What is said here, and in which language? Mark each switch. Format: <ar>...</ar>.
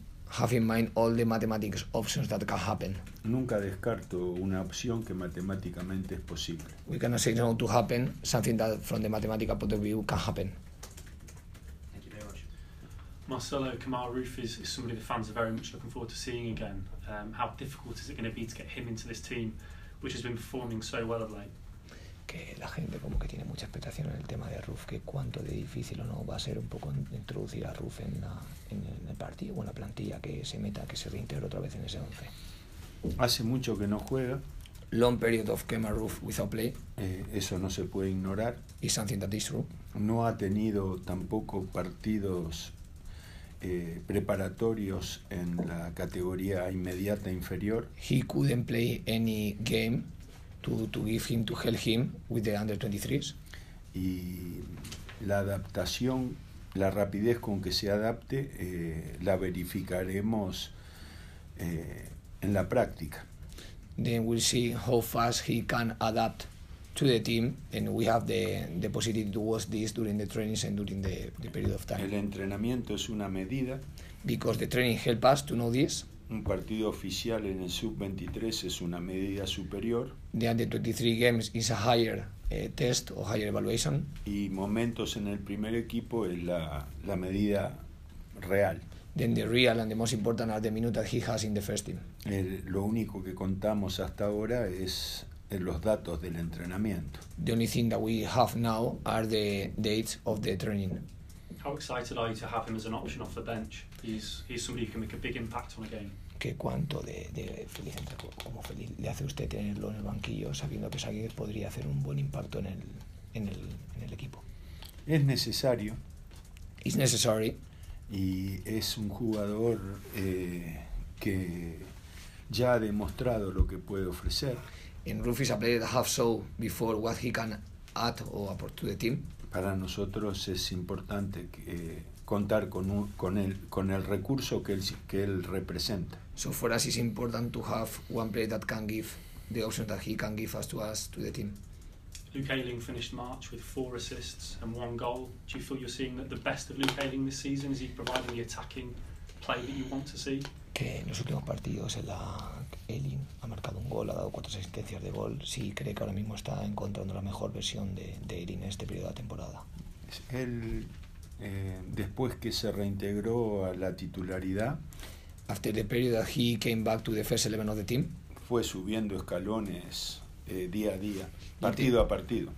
<en>Have in mind all the mathematics options that can happen.</en> <es>Nunca descarto una opción que matemáticamente es posible.</es> <en>We cannot say no to happen something that from the mathematical point of view can happen. Thank you very much. Marcelo, Kamal Roof is somebody the fans are very much looking forward to seeing again. How difficult is it going to be to get him into this team, which has been performing so well of late?</en> <es>Que la gente como que tiene mucha expectación en el tema de Roof, que cuánto de difícil o no va a ser un poco introducir a Roof en el partido o en la plantilla, que se meta, que se reintegre otra vez en ese 11. Hace mucho que no juega.</es> <en>Long period of Kemar Roof without play.</en> <es>Eso no se puede ignorar.</es> <en>Is something that is true.</en> <es>No ha tenido tampoco partidos preparatorios en la categoría inmediata inferior.</es> <en>He couldn't play any game to give him to help him with the under 23s.</en> <es>Y la adaptación, la rapidez con que se adapte, la verificaremos en la práctica.</es> <en>Then we'll see how fast he can adapt to the team, and we have the possibility to watch this during the trainings and during the period of time.</en> <es>El entrenamiento es una medida.</es> <en>Because the training help us to know this.</en> <es>Un partido oficial en el sub 23 es una medida superior.</es> <en>The under 23 games is a higher test or higher evaluation.</en> <es>Y momentos en el primer equipo es la medida real.</es> <en>Then the real and the most important are the minutes that he has in the first team.</en> <es>Lo único que contamos hasta ahora es en los datos del entrenamiento.</es> <en>The only thing that we have now are the dates of the training. How excited are you to have him as an option off the bench? He's somebody who can make a big impact on a game.</en> <es>¿Qué cuánto de feliz, como feliz le hace usted tenerlo en el banquillo sabiendo que Saguir podría hacer un buen impacto en el equipo? Es necesario.</es> <en>It's necessary.</en> <es>Y es un jugador que ya ha demostrado lo que puede ofrecer.</es> <en>And Rufi is a player that have shown before what he can add or apport to the team.</en> <es>Para nosotros es importante contar con el recurso que él representa.</es> <en>So for us it's important to have one player that can give the option that he can give us to the team. Luke Ayling finished March with 4 assists and 1 goal. Do you feel you're seeing that the best of Luke Ayling this season? Is he providing the attacking play that you want to see?</en> <es>Que en los últimos partidos Elin ha marcado un gol, ha dado 4 asistencias de gol. Sí, cree que ahora mismo está encontrando la mejor versión de Elin en este periodo de la temporada. Él, después que se reintegró a la titularidad,</es> <en>after the period that he came back to the first 11 of the team,</en> <es>fue subiendo escalones día a día, partido a partido.</es>